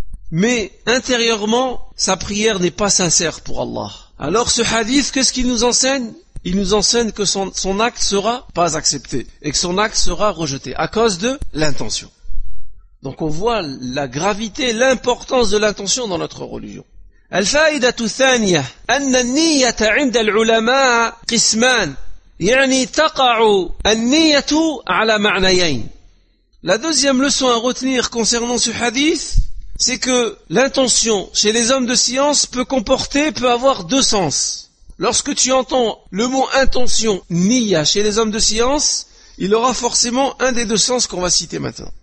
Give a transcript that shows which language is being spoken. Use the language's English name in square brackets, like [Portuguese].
[French] Mais intérieurement, sa prière n'est pas sincère pour Allah. Alors ce hadith, qu'est-ce qu'il nous enseigne? Il nous enseigne que son acte sera pas accepté et que son acte sera rejeté à cause de l'intention. Donc on voit la gravité, l'importance de l'intention dans notre religion. [Arabic] الفائدة الثانية أن النية عند العلماء قسمان يعني تقع النية على معنيين. [French] La deuxième leçon à retenir concernant ce hadith, c'est que l'intention chez les hommes de science peut avoir deux sens. Lorsque tu entends le mot intention, niya, chez les hommes de science, il aura forcément un des deux sens qu'on va citer maintenant.